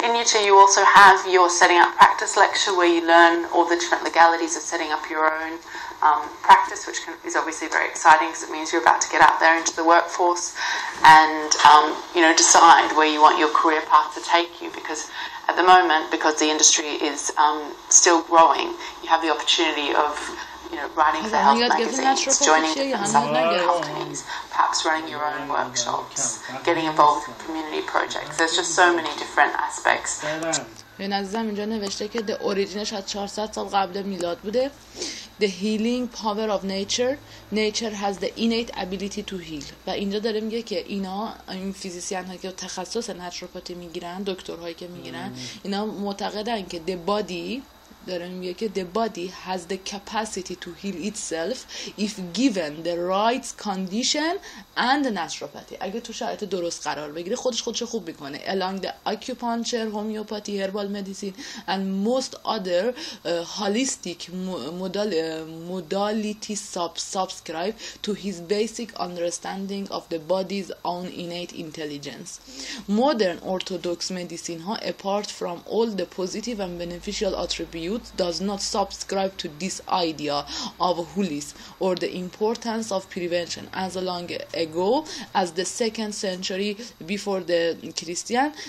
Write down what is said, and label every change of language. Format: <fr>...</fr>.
<en>In year two, you also have your setting up practice lecture, where you learn all the different legalities of setting up your own practice, which is obviously very exciting because it means you're about to get out there into the workforce and you know, decide where you want your career path to take you. Because at the moment, because the industry is still growing, you have the opportunity of, you know, writing for health magazines, joining consulting companies, perhaps running your own workshops, getting involved with community projects. There's just so many different aspects.</en> <fa>این از زمین جا نوشته که</fa> <en>the origin</en> <fa>ش از 400 سال قبل میلاد بوده.</fa> <en>The healing power of nature. Nature has the innate ability to heal.</en> <fa>و اینجا داره میگه که اینا این فیزیسیان هایی که تخصص نچروپاتی میگیرن، دکتر هایی که میگیرن، اینا معتقدن که</fa> <en>the body،</en> <fa>داره میگه که</fa> <en>the body has the capacity to heal itself if given the right condition and naturopathy.</en> <fa>اگه تو شرایط درست قرار بگیره خودش خوب میکنه.</fa> <en>Along the acupuncture, homeopathy, herbal medicine and most other holistic modality subscribe to his basic understanding of the body's own innate intelligence. Modern orthodox medicine, apart from all the positive and beneficial attributes, does not subscribe to this idea of holism or the importance of prevention as long ago as the second century before the Christian.</en>